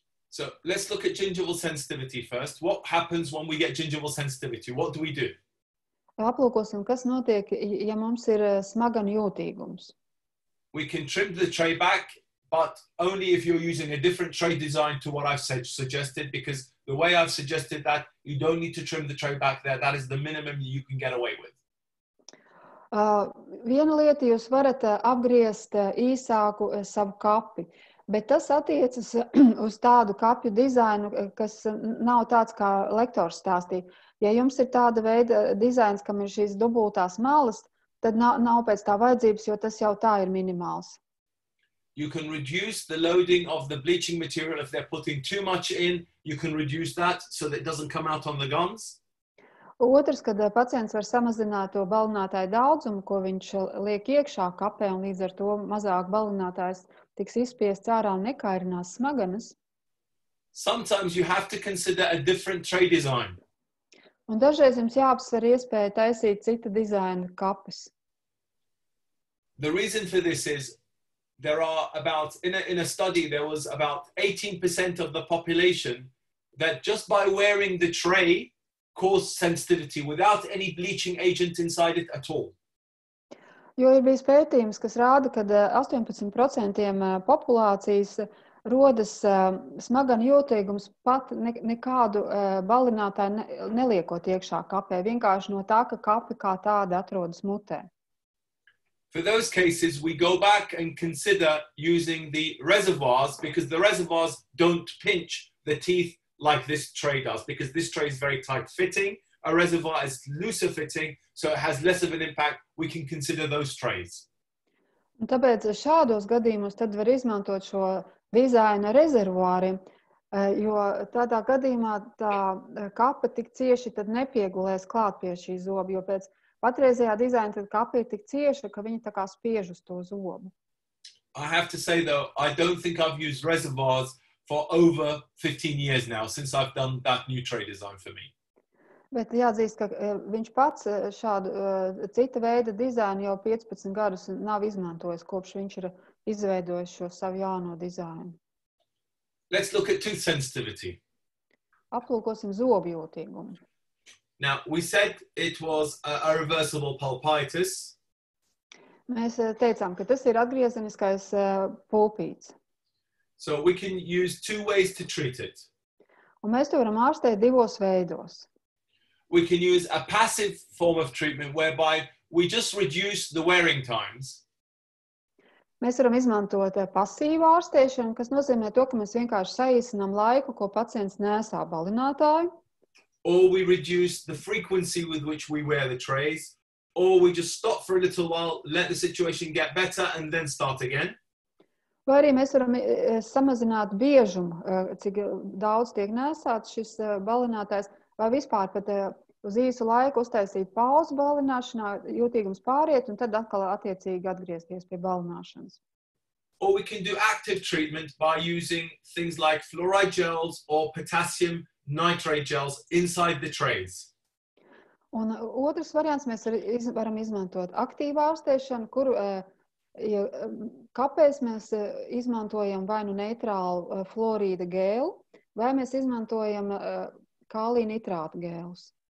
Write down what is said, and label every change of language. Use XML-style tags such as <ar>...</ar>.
<en>So, let's look at gingival sensitivity first. What happens when we get gingival sensitivity? What do we do?</en> <lv>Aplūkosim, kas notiek, ja mums ir smagan jūtīgums.</lv> <en>We can trim the tray back, but only if you're using a different tray design to what I've said, suggested, because the way I've suggested that, you don't need to trim the tray back there. That is the minimum you can get away with.</en> <lv>Viena lieta, jūs varat apgriezt īsāku savu kapi, bet tas attiecas uz tādu kapju dizainu, kas nav tāds kā lektors stāstī. Ja jums ir tāda veida dizains, kam ir šīs dubultās malas, tad nav pēc tā vajadzības, jo tas jau tā ir minimāls.</lv> <en>You can reduce the loading of the bleaching material if they're putting too much in. You can reduce that so that it doesn't come out on the gums.</en> <lv>Otrs, kad pacients var samazināt to balinātāju daudzumu, ko viņš liek iekšā kapē, un līdz ar to mazāk balinātājs tiks izspiests ārā un nekairinās smaganas.</lv> <en>Sometimes you have to consider a different tray design.</en> <lv>Un dažreiz jums jāapsver iespēja taisīt cita dizaina kapes.</lv> <en>The reason for this is there are about, in a study, there was about 18% of the population that just by wearing the tray caused sensitivity without any bleaching agent inside it at all.</en> <lv>Jo ir bijis pētījums, kas rāda, ka 18% populācijas rodas smagana jūtīgums pat nekādu balinātāju neliekot iekšā kapē, vienkārši no tā, ka kapi kā tāda atrodas mutē.</lv> <en>For those cases, we go back and consider using the reservoirs, because the reservoirs don't pinch the teeth like this tray does, because this tray is very tight fitting, a reservoir is looser fitting, so it has less of an impact, we can consider those trays.</en> <lv>Un tāpēc šādos gadījumos tad var izmantot šo dizaina rezervuāri, jo tādā gadījumā tā kapa tik cieši tad nepiegulēs klāt pie šī zoba, jo pēc patreizajā dizaina tad kapa ir tik cieša, ka viņa tā kā spiež uz to zobu.</lv> <en>I have to say though, I don't think I've used reservoirs for over 15 years now, since I've done that new tray design for me.</en> <lv>Bet jāatzīst, ka viņš pats šādu cita veida dizainu jau 15 gadus nav izmantojis, kopš viņš ir izveidojis šo savu jauno dizainu.</lv> <en>Let's look at tooth sensitivity.</en> <lv>Aplūkosim zobu jūtīgumu.</lv> <en>Now, we said it was a reversible pulpitis.</en> <lv>Mēs teicām, ka tas ir atgriezeniskais pulpīts.</lv> <en>So we can use two ways to treat it.</en> <lv>Un mēs to varam ārstēt divos veidos.</lv> <en>We can use a passive form of treatment whereby we just reduce the wearing times.</en> <lv>Mēs varam izmantot pasīvu ārstēšanu, kas nozīmē to, ka mēs vienkārši saīsinām laiku, ko pacients nesā balinātāju.</lv> <en>Or we reduce the frequency with which we wear the trays, or we just stop for a little while, let the situation get better and then start again.</en> <lv>Vai arī mēs varam samazināt biežumu, cik daudz tiek nesāts šis balinātājs, vai vispār pat uz īsu laiku uztaisīt pauzu balināšanā, jūtīgums pāriet un tad atkal attiecīgi atgriezties pie balināšanas.</lv> <en>Or we can do active treatment by using things like fluoride gels or potassium nitrate gels inside the trays.</en> <lv>Un otrs variants mēs varam izmantot aktīvu ārstēšanu, kuru ja, kāpēc mēs izmantojam vai nu neitrālu fluorīda gēlu, vai mēs izmantojam kālija nitrāta gēlus.</lv>